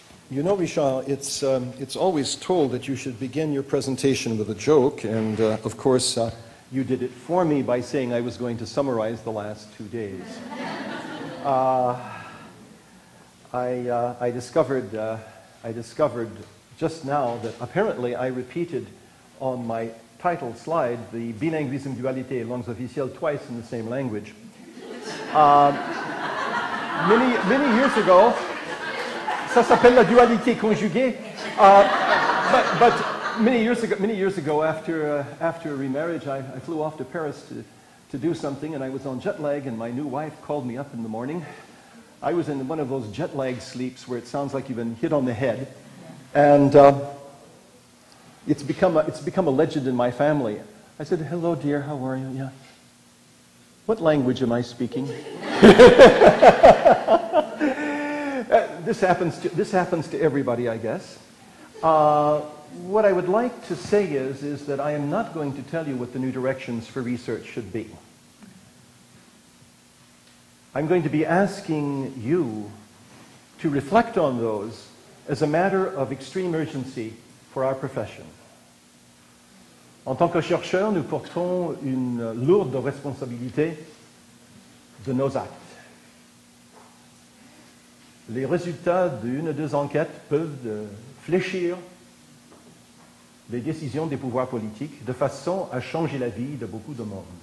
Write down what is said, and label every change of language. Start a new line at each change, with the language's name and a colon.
English: You know, Richard, it's always told that you should begin your presentation with a joke, and of course, you did it for me by saying I was going to summarize the last 2 days. I discovered just now that apparently I repeated on my title slide the Bilingualism, Duality, Langues Officielles twice in the same language. Many years ago,
French: ça s'appelle la dualité conjuguée.
English: But Many years ago, after a remarriage, I flew off to Paris to do something, and I was on jet lag, and my new wife called me up in the morning. I was in one of those jet lag sleeps where it sounds like you've been hit on the head. And it's become a legend in my family. I said, "Hello, dear, how are you?" "Yeah. What language am I speaking?" this happens to everybody, I guess. What I would like to say is that I am not going to tell you what the new directions for research should be. I'm going to be asking you to reflect on those as a matter of extreme urgency for our profession.
French: En tant que chercheur, nous portons une lourde responsabilité de nos actes. Les résultats d'une ou deux enquêtes peuvent fléchir les décisions des pouvoirs politiques de façon à changer la vie de beaucoup de monde.